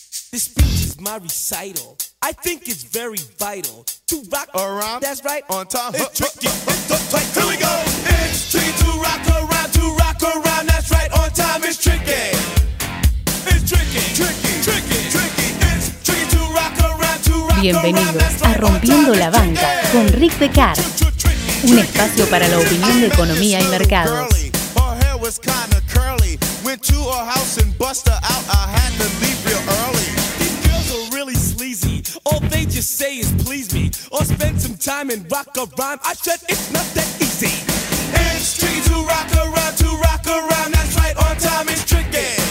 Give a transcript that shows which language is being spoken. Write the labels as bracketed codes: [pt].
[en] This speech is my recital. I think it's very vital to rock around. That's right. On top. It's tricky. It's tricky. Here we go. It's tricky to rock around. To rock around. That's right. On time. It's tricky. It's tricky. Tricky. Tricky. Tricky. It's tricky to rock around. To rock [es] Bienvenidos a Rompiendo la Banca con Rick Becar. Un espacio para la opinión de economía y mercados. [en] Her hair was kind of curly. Went to her house and bust her out. I had to leave real early. These girls are really sleazy. All they just say is please me. Or spend some time and rock a rhyme. I said it's not that easy. It's tricky to rock around, to rock around. That's right, on time is tricky.